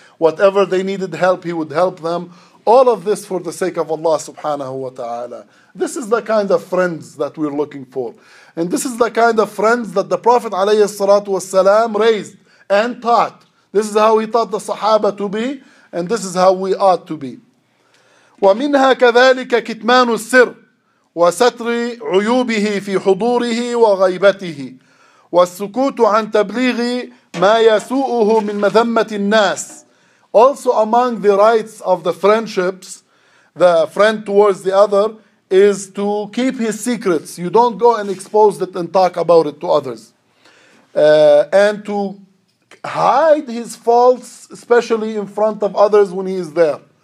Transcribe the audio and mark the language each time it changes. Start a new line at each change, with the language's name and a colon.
English: Whatever they needed help, he would help them. All of this for the sake of Allah subhanahu wa ta'ala. This is the kind of friends that we're looking for. And this is the kind of friends that the Prophet alayhi salatu wasalam raised and taught. This is how he taught the Sahaba to be, and this is how we ought to be.
Arabic: ومنها كذلك كتمان السر وستر عيوبه في حضوره وغيبته والسكوت عن تبليغ ما يسوءه من مذمة الناس.
English: Also among the rights of the friendships, the friend towards the other, is to keep his secrets. You don't go and expose it and talk about it to others. And to hide his faults, especially in front of others when he is there.